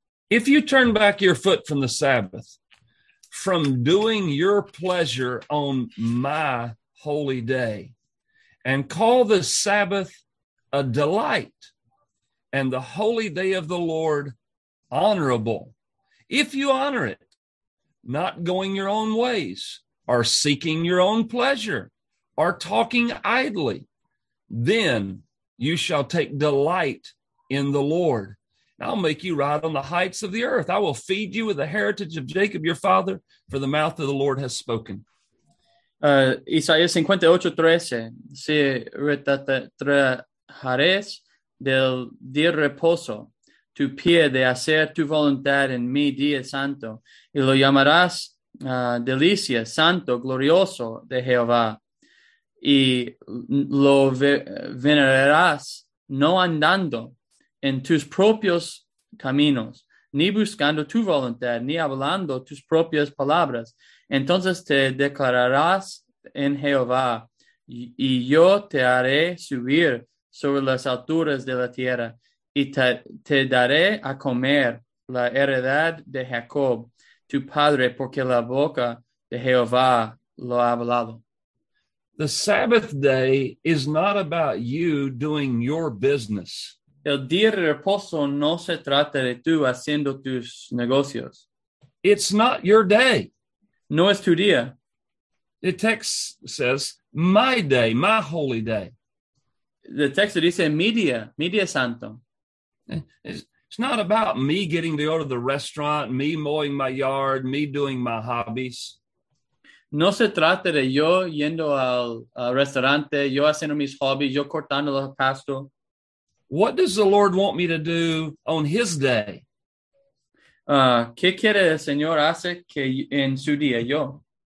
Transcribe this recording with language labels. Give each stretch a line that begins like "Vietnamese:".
English: If you turn back your foot from the Sabbath, from doing your pleasure on my holy day, and call the Sabbath a delight, and the holy day of the Lord honorable, if you honor it, not going your own ways, or seeking your own pleasure, or talking idly, then you shall take delight in the Lord. I'll make you ride on the heights of the earth. I will feed you with the heritage of Jacob, your father, for the mouth of the Lord has spoken.
Spanish: Isaías 58:13. Si retratares del día reposo tu pie de hacer tu voluntad en mi día santo, y lo llamarás delicia, santo, glorioso de Jehová, y lo venerarás no andando en tus propios caminos, ni buscando tu voluntad, ni hablando tus propias palabras, entonces te declararás en Jehová, y yo te haré subir sobre las alturas de la tierra, y te daré a comer la heredad de Jacob, tu padre, porque la boca de Jehová lo ha hablado.
English: The Sabbath day is not about you doing your business.
Spanish: El día de reposo no se trata de tú haciendo tus negocios.
English: It's not your day.
Spanish: No es tu día.
English: The text says, my day, my holy day. The text
Spanish: dice, mi día, mi día santo.
English: It's not about me getting to go to the restaurant, me mowing my yard, me doing my hobbies.
Spanish: No se trata de yo yendo al restaurante, yo haciendo mis hobbies, yo cortando el pasto.
English: What does the Lord want me to do on his day?
Spanish: ¿Qué quiere el Señor hace que en su día yo?